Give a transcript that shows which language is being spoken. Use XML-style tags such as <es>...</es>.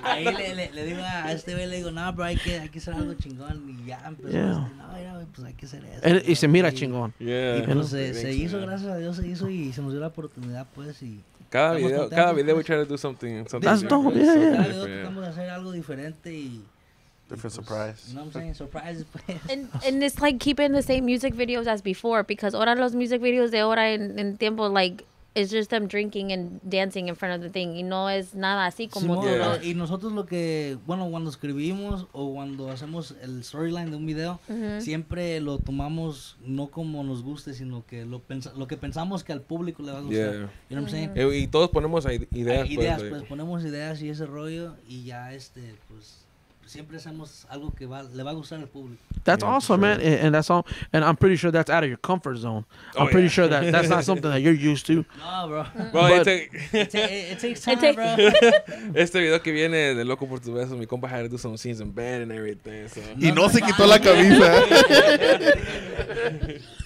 <es>Ahí le digo a güey, le digo, no, bro, hay que hacer algo chingón. Y ya empezó. Yeah. Decir, no, mira, pues hay que hacer eso. Y se mira chingón.</es> <en>Yeah.</en> <es>Y pues se hizo, gracias a Dios, se hizo y se nos dio la oportunidad, pues, y... Cada video</es> <en>we try to do something that's different. Dope, yeah,</en> <es>cada</es> <en>yeah.</en> <es>Cada video tratamos de hacer algo diferente y...</es> <en>Different pues, surprise. You know what I'm saying? Surprise. And it's like keeping the same music videos as before, because</en> <es>ahora los music videos de ahora en tiempo,</es> <en>like, it's just them drinking and dancing in front of the thing.</en> <es>Y no es nada así como... Sí, yeah. Y nosotros lo que... Bueno, cuando escribimos o cuando hacemos el storyline de un video,</es> <en>mm-hmm.</en> <es>siempre lo tomamos no como nos guste, sino que lo que pensamos que al público le va a gustar.</es> <en>Yeah. You know what I'm saying?</en> <es>Mm-hmm. Y todos ponemos ideas. Ponemos ideas y ese rollo y ya pues... Siempre hacemos algo que le va a gustar al público.</es> <en>That's yeah, awesome, sure. Man. And that's all. And I'm pretty sure that's out of your comfort zone. Oh, I'm pretty yeah. sure that's not something that you're used to. No, bro. Bro, but it takes time, bro.</en> <es>Este video que viene de Loco por tu beso, mi compa</es> <en>had to do some scenes in bed and everything. So.</en> <es>Y no se quitó la camisa.</es>